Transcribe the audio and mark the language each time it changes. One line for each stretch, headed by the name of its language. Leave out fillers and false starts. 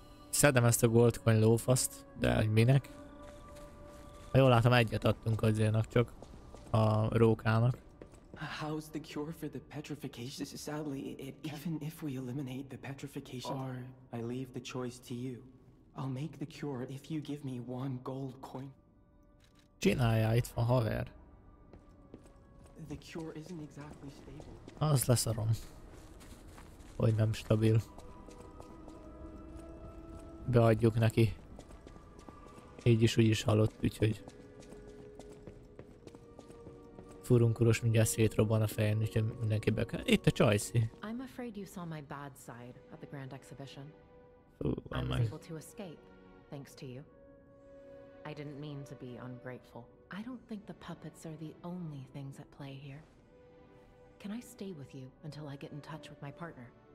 Hungarian: Szedem ezt a gold coin lófaszt, de hogy minek? Ha jól látom, egyet adtunk azért csak a rókának.
English: How's the cure for the petrification? Sadly, even if we eliminate the petrification, or I leave the choice to you. I'll make the cure if you give me one gold coin.
Hungarian: Csinálja, itt van haver.
English: The cure isn't exactly stable.
Hungarian: Az leszarom. Hogy nem stabil. Beadjuk neki. Így is úgy is halott, úgyhogy furunkuros mindjárt szétrobban a fején, úgyhogy mindenki be kell. Itt a csajszi.
English: I'm afraid you saw my bad side at the grand exhibition.
Hungarian: Van meg.
English: I was able to escape, thanks to you. I didn't mean to be ungrateful. I don't think the puppets are the only things at play here. Can I stay with you until I get in touch with my partner?